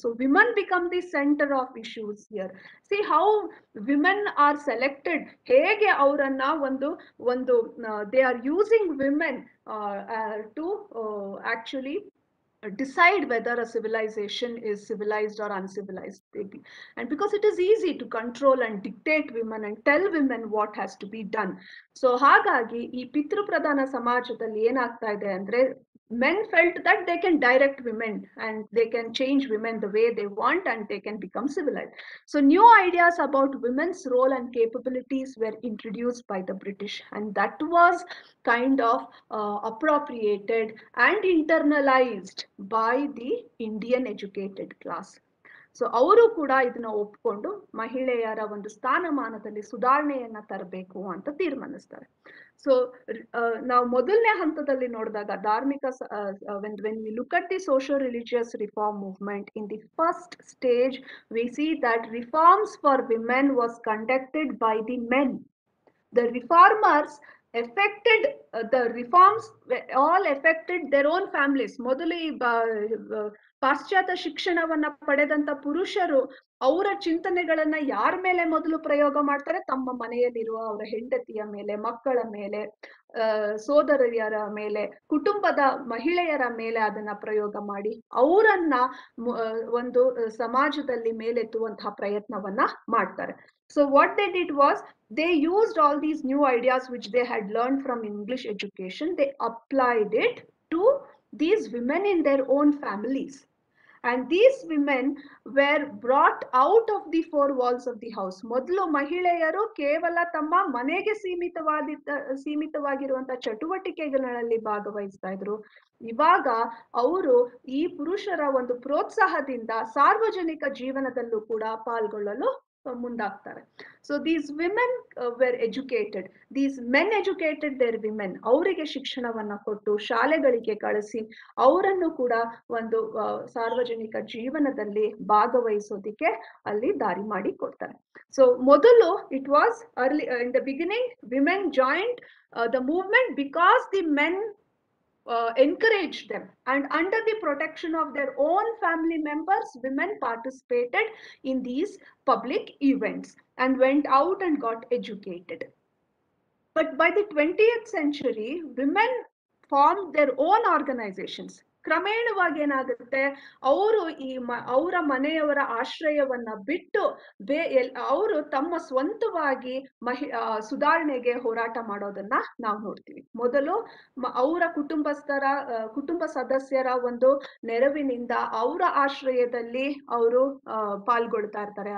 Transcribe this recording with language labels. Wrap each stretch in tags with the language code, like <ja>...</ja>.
<en>So women become the centre of issues here. See how women are selected,</en> <kn>ಹೇಗೆ ಅವರನ್ನ ಒಂದು ಒಂದು</kn> <en>They are using women to actually decide whether a civilization is civilized or uncivilized, maybe. And because it is easy to control and dictate women and tell women what has to be done. So</en> <kn>ಹಾಗಾಗಿ ಈ ಪಿತೃಪ್ರಧಾನ ಸಮಾಜದಲ್ಲಿ ಏನಾಗ್ತಾ ಇದೆ ಅಂದ್ರೆ,</kn> <en>men felt that they can direct women and they can change women the way they want and they can become civilized. So new ideas about women's role and capabilities were introduced by the British, and that was kind of appropriated and internalized by the Indian educated class.</en> <kn>So ಅವರು ಕೂಡ ಇದನ್ನ ಒಪ್ಕೊಂಡು ಮಹಿಳೆಯರ ಒಂದು ಸ್ಥಾನಮಾನದಲ್ಲಿ ಸುಧಾರಣೆಯನ್ನ ತರಬೇಕು ಅಂತ ತೀರ್ಮಾನಿಸ್ತಾರೆ.</kn> <en>so</en> <kn>ನಾವು ಮೊದಲನೇ ಹಂತದಲ್ಲಿ ನೋಡಿದಾಗ ಧಾರ್ಮಿಕ</kn> <en>When we look at the socio religious reform movement in the first stage we see that reforms for women was conducted by the men. The reformers affected the reforms all affected their own families.</en> <kn>ಮೊದಲು ಪಾಶ್ಚಾತ್ಯ ಶಿಕ್ಷಣವನ್ನ ಪಡೆದಂತ ಪುರುಷರು ಅವರ ಚಿಂತನೆಗಳನ್ನ ಯಾರ ಮೇಲೆ ಮೊದಲು ಪ್ರಯೋಗ ಮಾಡ್ತಾರೆ? ತಮ್ಮ ಮನೆಯಲ್ಲಿರುವ ಅವರ ಹೆಂಡತಿಯ ಮೇಲೆ, ಮಕ್ಕಳ ಮೇಲೆ, ಸೋದರಿಯರ ಮೇಲೆ, ಕುಟುಂಬದ ಮಹಿಳೆಯರ ಮೇಲೆ ಅದನ್ನ ಪ್ರಯೋಗ ಮಾಡಿ ಅವರನ್ನ ಒಂದು ಸಮಾಜದಲ್ಲಿ ಮೇಲೆತ್ತುವಂತಹ ಪ್ರಯತ್ನವನ್ನ ಮಾಡ್ತಾರೆ.</kn> <en>So what they did was they used all these new ideas which they had learn from English education, they applied it to these women in their own families. And these women were brought out of the four walls of the house.</en> <kn>ಮೊದಲು ಮಹಿಳೆಯರು ಕೇವಲ ತಮ್ಮ ಮನೆಗೆ ಸೀಮಿತವಾಗಿರುವಂತಹ ಚಟುವಟಿಕೆಗಳಲ್ಲಿ ಭಾಗವಹಿಸ್ತಾ ಇದ್ರು. ಇವಾಗ ಅವರು ಈ ಪುರುಷರ ಒಂದು ಪ್ರೋತ್ಸಾಹದಿಂದ ಸಾರ್ವಜನಿಕ ಜೀವನದಲ್ಲೂ ಕೂಡ ಪಾಲ್ಗೊಳ್ಳಲು ಮುಂದಾಗ್ತಾರೆ.</kn> <en>So these women were educated, these men educated their women.</en> <kn>ಅವರಿಗೆ ಶಿಕ್ಷಣವನ್ನ ಕೊಟ್ಟು ಶಾಲೆಗಳಿಗೆ ಕಳಿಸಿ ಅವರನ್ನು ಕೂಡ ಒಂದು ಸಾರ್ವಜನಿಕ ಜೀವನದಲ್ಲಿ ಭಾಗವಹಿಸೋದಿಕ್ಕೆ ಅಲ್ಲಿ ದಾರಿ ಮಾಡಿ ಕೊಡ್ತಾರೆ.</kn> <en>So ಮೊದಲು it was early in the beginning women joined the movement because the men encouraged them, and under the protection of their own family members, women participated in these public events and went out and got educated. But by the 20th century, women formed their own organizations.</en> <kn>ಕ್ರಮೇಣವಾಗಿ ಏನಾಗುತ್ತೆ, ಅವರು ಈ ಅವರ ಮನೆಯವರ ಆಶ್ರಯವನ್ನ ಬಿಟ್ಟು ಅವರು ತಮ್ಮ ಸ್ವಂತವಾಗಿ ಸುಧಾರಣೆಗೆ ಹೋರಾಟ ಮಾಡೋದನ್ನ ನಾವು ನೋಡ್ತೀವಿ. ಮೊದಲು ಅವರ ಕುಟುಂಬ ಸದಸ್ಯರ ಒಂದು ನೆರವಿನಿಂದ ಅವರ ಆಶ್ರಯದಲ್ಲಿ ಅವರು ಪಾಲ್ಗೊಳ್ತಾ ಇರ್ತಾರೆ.</kn>